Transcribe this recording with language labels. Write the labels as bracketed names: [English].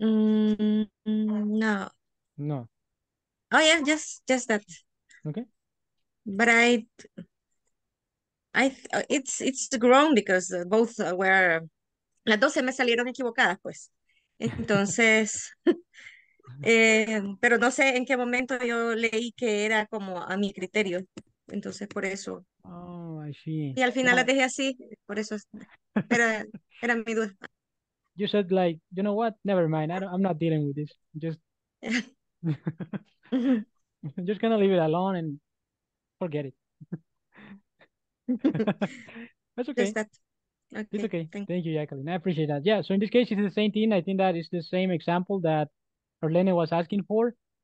[English] No. No. Oh yeah, just that. Okay. But it's wrong because both were [Spanish] las dos se me salieron equivocadas pues. Entonces pero no sé en qué momento yo leí que era como a mi criterio. Entonces por eso. [English] Oh, I see. [Spanish] Y al final la dejé así, por eso era mi duda. [English] You said like, you know what? Never mind. I'm not dealing with this. Just I'm just gonna leave it alone and forget it. That's okay. Just that. Okay. It's okay. Thank you, Jacqueline. I appreciate that. Yeah, so in this case, it's the same thing. I think that it's the same example that Arlene was asking for.